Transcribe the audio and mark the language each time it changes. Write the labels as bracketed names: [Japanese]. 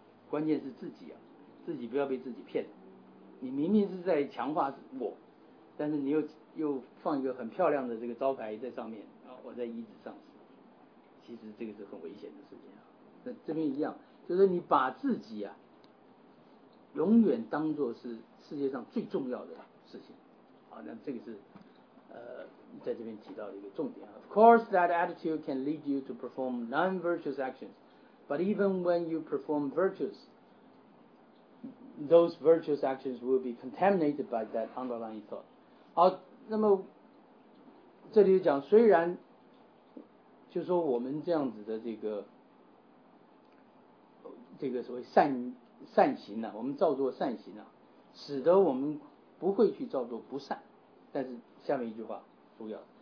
[Chinese] 关键是自己啊，自己不要被自己骗。你明明是在强化我，但是你又放一个很漂亮的这个招牌在上面，我在椅子上，其实这个是很危险的事情啊。那这边一样，就是你把自己啊，永远当作是世界上最重要的事情，好，那这个是在这边提到的一个重点。 [English] Of course, that attitude can lead you to perform non-virtuous actions, but even when you perform virtuous, those virtuous actions will be contaminated by that underlying thought. [Chinese] 好，那么这里讲，虽然就是说我们这样子的这个所谓善行啊，我们造作善行啊，使得我们不会去造作不善，但是下面一句话重要，